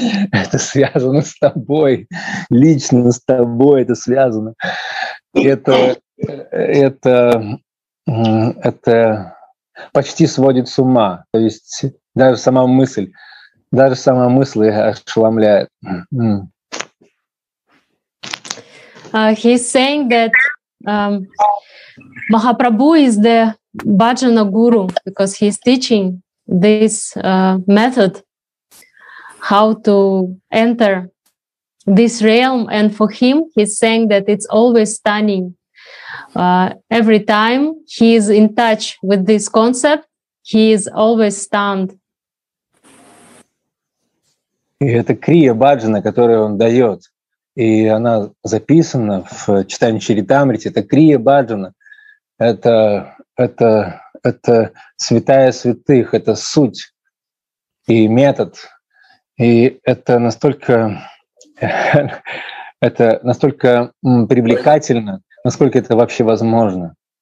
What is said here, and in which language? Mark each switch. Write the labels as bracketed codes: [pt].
[ru] Это связано с тобой. Лично с тобой это связано. Это почти сводит с ума. То есть даже сама мысль ошеломляет. [en] He's saying that Mahaprabhu is the bhajana guru because he's teaching this method how to enter this realm. And for him, he's saying that it's always stunning. Every time he is in touch with this concept, he is always stunned. [ru] И это крия бхаджана, которую он дает. И она записана в читании Чаритамрити. Это крия бхаджана. Это святая святых. Это суть и метод. И это настолько привлекательно, насколько это вообще возможно.